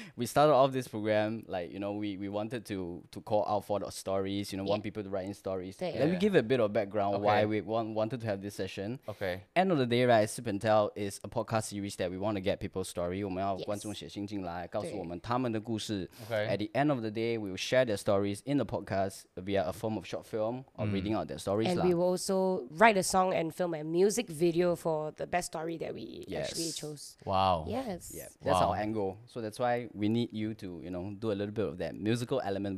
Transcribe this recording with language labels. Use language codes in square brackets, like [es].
[en] We started off this program like you know we wanted to call out for the stories. You know, want people to write in stories. Let me give a bit of background why we wanted to have this session. Okay. End of the day, right? Sip and Tell is a podcast series that we want to get people's story. [zh] 我们要观众写信进来，告诉我们他们的故事。 [en] Okay. At the end of the day, we will share their stories in the podcast via a form of short film or reading out their stories. And we will also write a song and film a music video for the best story that we actually chose. Wow. Yes. Yeah, that's our angle. So that's why we need you to, you know, do a little bit of that musical element.